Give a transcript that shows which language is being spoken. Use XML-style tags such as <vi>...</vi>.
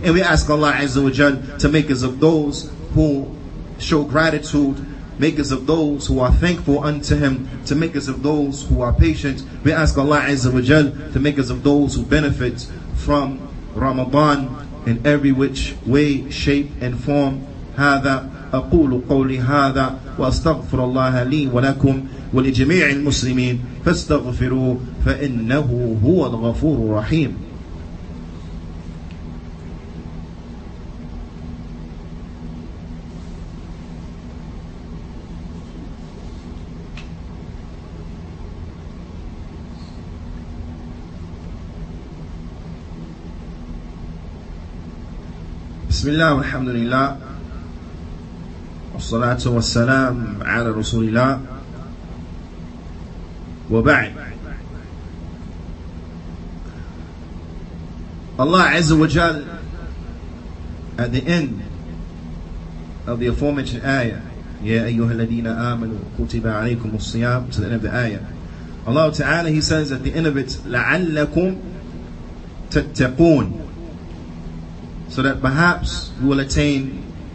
<en>And we ask Allah Azza wa Jal to make us of those who show gratitude, make us of those who are thankful unto Him, to make us of those who are patient. We ask Allah Azza wa Jal to make us of those who benefit from Ramadan in every which way, shape and form.</en> <ar>هذا أقول قولي هذا وأستغفر الله لي ولكم ولجميع المسلمين فاستغفروه فإنه هو الغفور الرحيم. بسم الله والحمد لله والصلاة والسلام على رسول الله وبعد.</ar> <en>الله عز وجل at the end of the aforementioned ayah,</en> <ar>يا أيها الذين آمنوا كتب عليكم الصيام,</ar> <en>to the end of the ayah, Allah تعالى, He says at the end of it,</en> <ar>لعلكم تتقون,</ar> <en>so that perhaps you will attain</en>